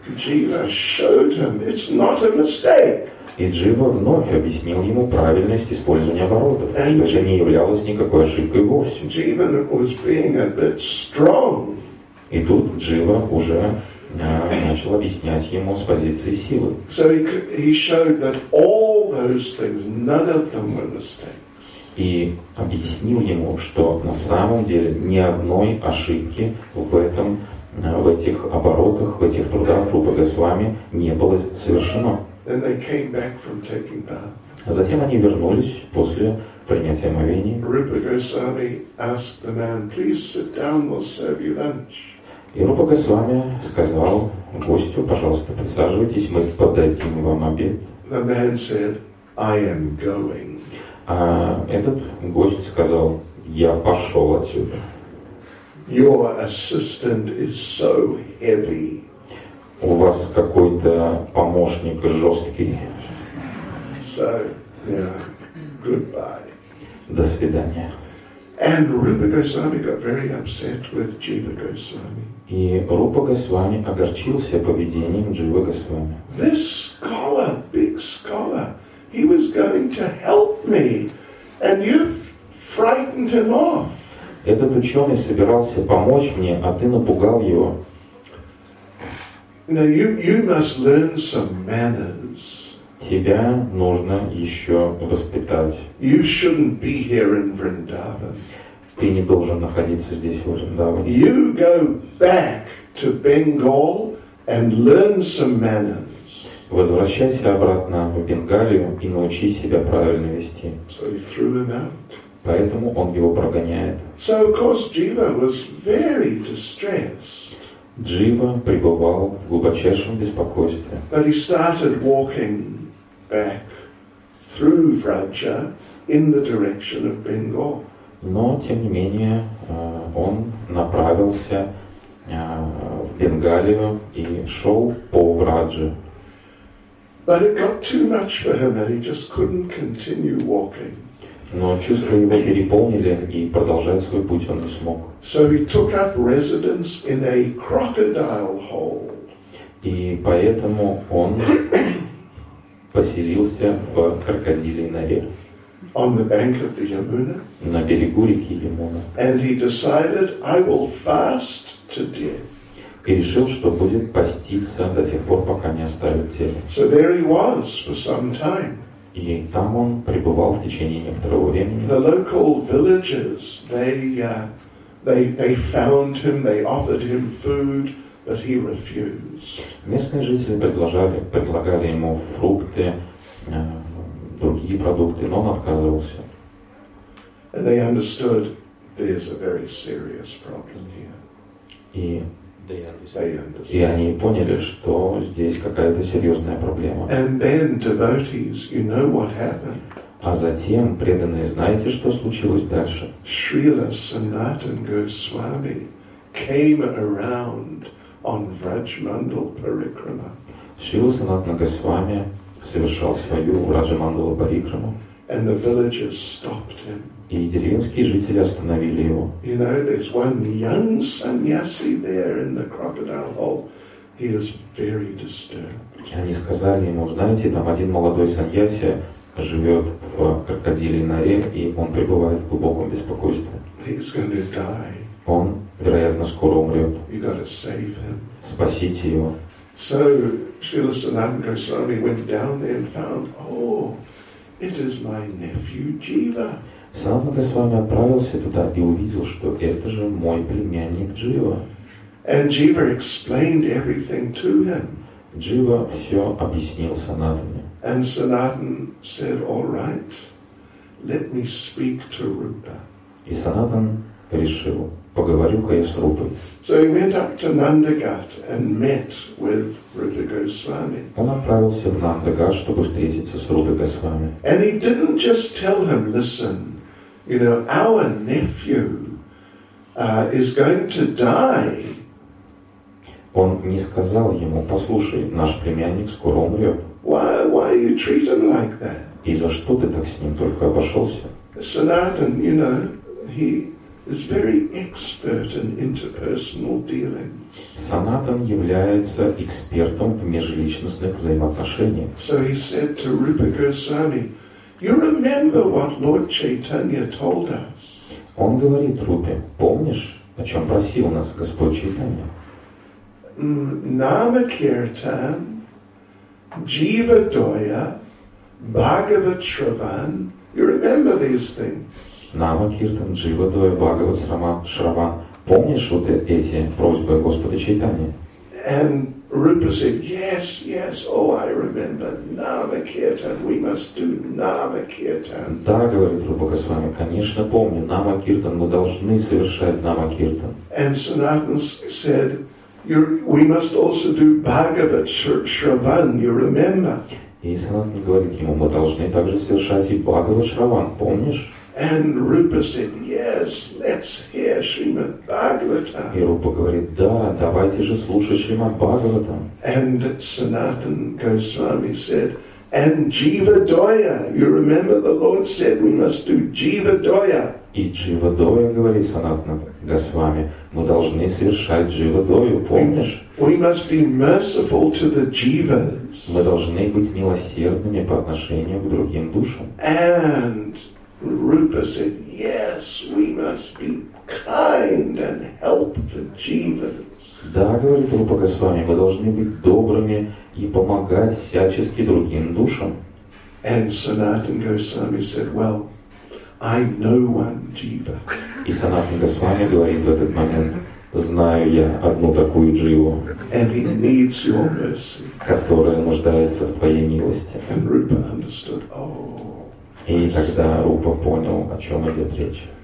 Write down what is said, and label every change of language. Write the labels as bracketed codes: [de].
[en] Jiva showed him it's not a mistake. [ru] И Джива вновь объяснил ему правильность использования оборотов, [en] and [ru] что же не являлось никакой ошибкой вовсе. [en] Jiva was being a bit strong. [ru] И тут Джива уже начал объяснять ему с позиции силы. [en] So he showed that all those things, none of them were mistakes. [ru] И объяснил ему, что на самом деле ни одной ошибки в этом, в этих оборотах, в этих трудах Рупы Госвами не было совершено. [en] Then they came back from taking bath. [ru] Затем они вернулись после принятия омовений. [en] Rupa Goswami asked the man, please sit down, we'll serve you lunch. [ru] И Рупа Госвами сказал гостю, пожалуйста, подсаживайтесь, мы подадим вам обед. [en] The man said, I am going. [ru] А этот гость сказал, я пошел отсюда. [en] Your assistant is so heavy. [ru] У вас какой-то помощник жесткий. [en] So, yeah, goodbye. [ru] До свидания. [en] And Rupa Goswami got very upset with Jiva Goswami. [ru] И Рупа Госвами огорчился поведением Джива Госвами. [en] This scholar, big scholar, he was going to help me, and you've frightened him off. [ru] Этот ученый собирался помочь мне, а ты напугал его. [en] Now you must learn some manners. [ru] Тебя нужно еще воспитать. [en] You shouldn't be here in Vrindavan. [ru] Ты не должен находиться здесь, в Вриндаване. [en] You go back to Bengal and learn some manners. [ru] Возвращайся обратно в Бенгалию и научи себя правильно вести. [en] So he threw him out. [ru] Поэтому он его прогоняет. [en] So of course Jiva was very distressed. [ru] Джива пребывал в глубочайшем беспокойстве. [en] But he started walking back through Vraja in the direction of Bengal. [ru] Но, тем не менее, он направился в Бенгалию и шел по Врадже. [en] But it got too much for him and he just couldn't continue walking. [ru] Но чувства его переполнили, и продолжать свой путь он не смог. [en] So he took up residence in a crocodile hole. [ru] И поэтому он поселился в крокодилий норе. [en] On the bank of the Yamuna. [ru] На берегу реки Ямуна. [en] And he decided, I will fast to death. [ru] И решил, что будет поститься до тех пор, пока не оставит тело. [en] So there he was for some time. [ru] И там он пребывал в течение некоторого времени. [en] The local villagers, they found him, they offered him food, but he refused. [ru] Местные жители предлагали ему фрукты, другие продукты, но он отказывался. [en] And they understood there's a very serious problem here. [ru] И они поняли, что здесь какая-то серьезная проблема. [en] And then devotees, you know what happened. [ru] А затем преданные, знаете, что случилось дальше? [en] Srila Sanatan Goswami came around on Vrajmandal Parikrama. [ru] Srila Sanatan Goswami совершал свою Враджамандала Парикраму. [en] And the villagers stopped him. [ru] И деревенские жители остановили его. [en] You know, there's one young sannyasi there in the crocodile hole. He is very disturbed. [ru] И они сказали ему, знаете, там один молодой саньяси живет в крокодилий норе, и он пребывает в глубоком беспокойстве. [en] He's going to die. [ru] Он, вероятно, скоро умрет. [en] You got to save him. [ru] Спасите его. [en] So Srila Sanatana Goswami went down there and found, oh, it is my nephew Jiva. [ru] Sanatana Goswami отправился туда и увидел, что это же мой племянник Джива. [en] And Jiva explained everything to him. [ru] Джива все объяснил Санатане. [en] And Sanatan said, all right, let me speak to Rupa. [ru] И Санатан решил, поговорю-ка я с Рупой. [en] So he went up to Nandagat and met with Rupa Goswami. [ru] Он отправился в Нандагат, чтобы встретиться с Рупой Госвами. [en] And he didn't just tell him, listen, you know, our nephew is going to die. [ru] Он не сказал ему, послушай, наш племянник скоро умрет. [en] Why you treat him like that? [ru] И за что ты так с ним только обошелся? [en] Sanatan, you know, he is very expert in interpersonal dealings. [ru] Sanatan является экспертом в межличностных взаимоотношениях. [en] So he said to Rupa Goswami, you remember what Lord Chaitanya told us? [ru] Он говорит Рупе, помнишь, о чем просил нас Господь Чайтанья? [sa] Namakirtan, Jivadoya, Bhagavatshravan. [en] You remember these things? [sa] Namakirtan, Jivadoya, Bhagavatshravan. [ru] Помнишь вот эти просьбы Господа Чайтанья? [en] And Rupa said, "Yes, yes. Oh, I remember. Namakirtan. We must do Namakirtan." [ru] Да, говорит Рупа Госвами, конечно помню. Namakirtan. Мы должны совершать Namakirtan. [en] And Sanatan said, we must also do Bhagavat Shravan, you remember? [ru] И Санатан говорит ему, мы должны также совершать и Бхагават Шраван, помнишь? [en] And Rupa said, yes, let's hear Srimad Bhagavatam. [ru] И Рупа говорит, да, давайте же слушать Шримад Бхагаватам. [en] And Sanatan Goswami said, and Jivadoya, you remember the Lord said, we must do Jivadoya. [ru] И Jivadoya, говорит Санатана Госвами, мы должны совершать Jivadoya, помнишь? [en] We must be merciful to the jivas. [ru] Мы должны быть милосердными по отношению к другим душам. [en] And Rupa said, yes, we must be kind and help the jivas. [ru] Да, говорит Рупа Госвами, мы должны быть добрыми и помогать всячески другим душам. [en] And Sanatan Goswami said, well, I know one jiva. [ru] И Санатана Госвами говорит в этот момент, знаю я одну такую дживу, [en] and he needs your mercy. [ru] Которая нуждается в твоей милости. [en] And Rupa understood. Oh, [ru] и тогда Рупа понял, о чем идет речь.